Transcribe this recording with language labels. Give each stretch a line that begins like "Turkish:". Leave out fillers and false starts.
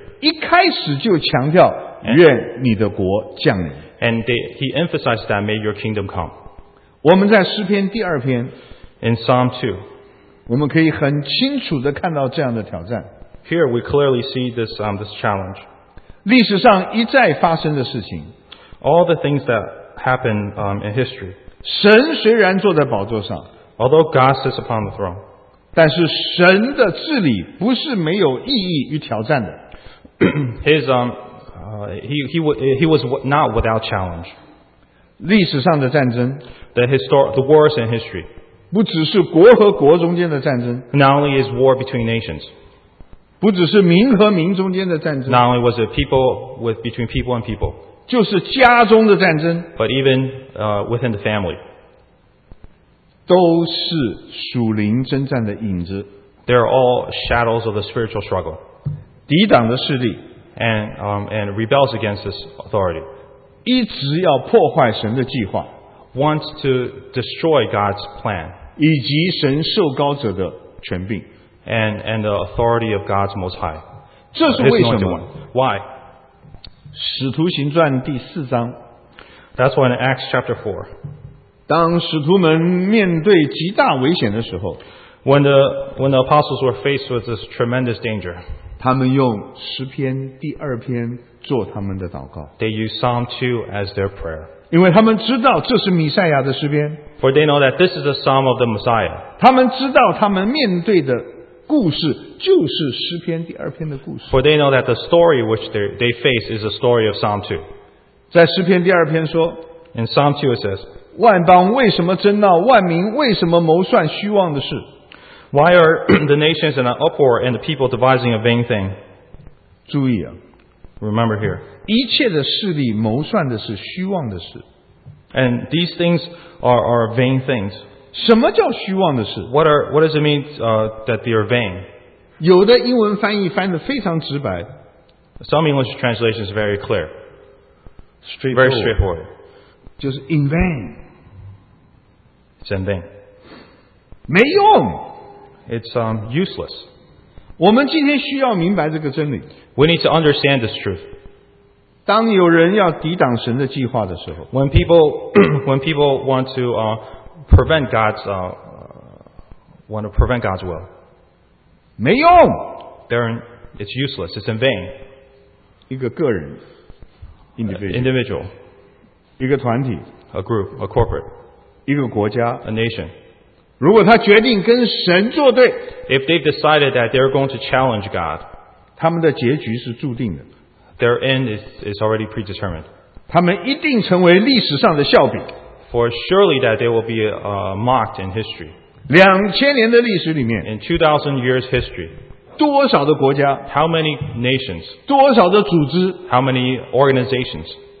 Chinese: 一开始就强调愿你的国降临
English: and he emphasized that may your kingdom come
Chinese: 我们在诗篇第二篇
English: in Psalm 2
Chinese: 我们可以很清楚地看到这样的挑战。
English: Here we clearly see this, this challenge.
Chinese: 历史上一再发生的事情。
English: All the things that happen, in history.
Chinese: 神虽然坐在宝座上。
English: Although God sits upon the throne.
Chinese: 但是神的治理不是没有意义与挑战的。
English: He was not without challenge.
Chinese: 历史上的战争。
English: The wars in history.
Chinese: 不只是国和国中间的战争
English: Not only is war between nations
Chinese: 不只是民和民中间的战争
English: Not only was it people with between people and people
Chinese: 就是家中的战争
English: But even within the family
Chinese: 都是属灵征战的影子
English: They are all shadows of the spiritual struggle
Chinese: 抵挡的势力
English: And rebels against this authority
Chinese: 一直要破坏神的计划
English: wants to destroy God's plan
Chinese: 以及神受高者的权柄
English: and the authority of God's Most High
Chinese: 这是为什么
English: Why?
Chinese: 使徒行传第四章
English: That's why in Acts chapter 4
Chinese: 当使徒们面对极大危险的时候
English: when the apostles were faced with this tremendous danger
Chinese: 他们用诗篇第二篇做他们的祷告
English: They used Psalm 2 as their prayer
Chinese: 因为他们知道这是弥赛亚的诗篇
English: For they know that this is the psalm of the Messiah
Chinese: 他们知道他们面对的故事就是诗篇第二篇的故事
English: For they know that the story which they face is the story of Psalm 2
Chinese: 在诗篇第二篇说
English: In Psalm 2 it says
Chinese: 万邦为什么争闹万民为什么谋算虚妄的事
English: Why are the nations in an uproar and the people devising a vain thing
Chinese: 注意啊
English: Remember here
Chinese: 一切的势力谋算的是虚妄的事
English: And these things are vain things
Chinese: 什么叫虚妄的事
English: What does it mean that they are vain
Chinese: 有的英文翻译翻得非常直白
English: Some English translation is very clear straightforward. Very straightforward
Chinese: 就是
English: in vain It's in vain
Chinese: 没用
English: It's useless
Chinese: 我们今天需要明白这个真理
English: We need to understand this truth
Chinese: 当有人要抵挡神的计划的时候
English: when people want to prevent God's will
Chinese: 没用
English: it's useless it's in vain
Chinese: 一个个人
English: individual
Chinese: 一个团体
English: a group a corporate
Chinese: 一个国家
English: a nation
Chinese: 如果他决定跟神作对
English: if they've decided that they're going to challenge God
Chinese: 他们的结局是注定的
English: Their end is already predetermined.
Chinese: 他们一定成为历史上的笑柄。
English: For surely that they will be mocked in history.
Chinese: 2000年的历史里面。
English: In 2000 years history.
Chinese: 多少的国家。
English: How many nations.
Chinese: 多少的组织。
English: How many organizations.